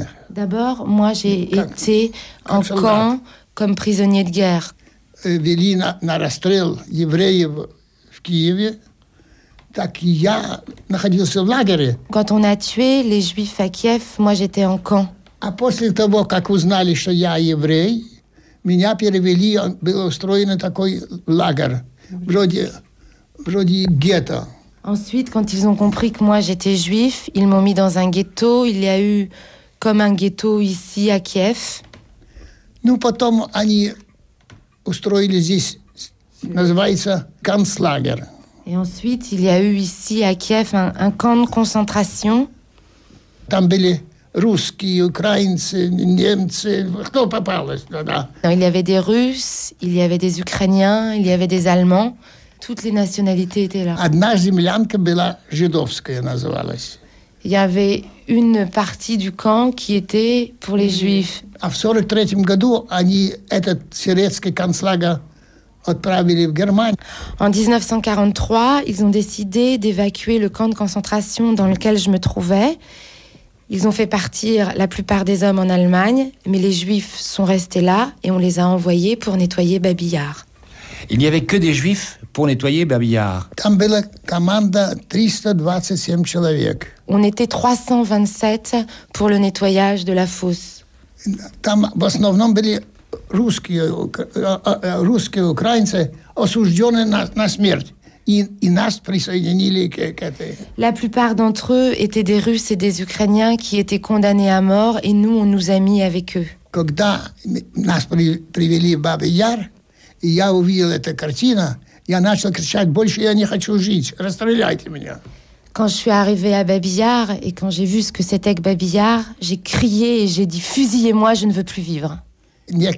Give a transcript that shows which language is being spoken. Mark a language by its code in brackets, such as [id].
[fr] D'abord, moi, j'ai été en camp comme prisonnier de guerre. [ru] Вели на расстрел евреев в Киеве, так и я находился в лагере. [fr] Quand on a tué les Juifs à Kiev, moi j'étais en camp. [ru] А после того, как узнали, что я еврей, меня перевели, было устроено такой лагерь, вроде гетто. [fr] Ensuite, quand ils ont compris que moi j'étais juif, ils m'ont mis dans un ghetto. Il y a eu comme un ghetto ici à Kiev. [ru] Ну потом они устроили здесь, называется концлагерь. [fr] Et ensuite, il y a eu ici à Kiev un camp de concentration. [ru] Там были русские, украинцы, немцы, кто попалось, да. [fr] Non, il y avait des Russes, il y avait des Ukrainiens, il y avait des Allemands. Toutes les nationalités étaient là. [ru] Одна землянка была жидовская, называлась. [fr] Il y avait une partie du camp qui était pour les Juifs. [ru] А в 43-м году они этот советский концлагерь отправили в Германию. [fr] En 1943, ils ont décidé d'évacuer le camp de concentration dans lequel je me trouvais. Ils ont fait partir la plupart des hommes en Allemagne, mais les Juifs sont restés là et on les a envoyés pour nettoyer Babi Yar. Il n'y avait que des Juifs pour nettoyer Babi Yar. [ru] Там была команда 327 человек. [fr] On était 327 pour le nettoyage de la fosse. [ru] Там в основном были русские, украинцы, осуждённые на смерть. И нас присоединили к этой. [fr] La plupart d'entre eux étaient des Russes et des Ukrainiens qui étaient condamnés à mort, et nous, on nous a mis avec eux. [ru] Когда нас привели в Бабий Яр, и я увидел эту картину, я начал кричать: «Больше я не хочу жить! Расстреляйте меня!» [fr] Quand je suis arrivée à Babi Yar et quand j'ai vu ce que c'était que Babi Yar, j'ai crié et j'ai dit « Fusillez-moi, je ne veux plus vivre ».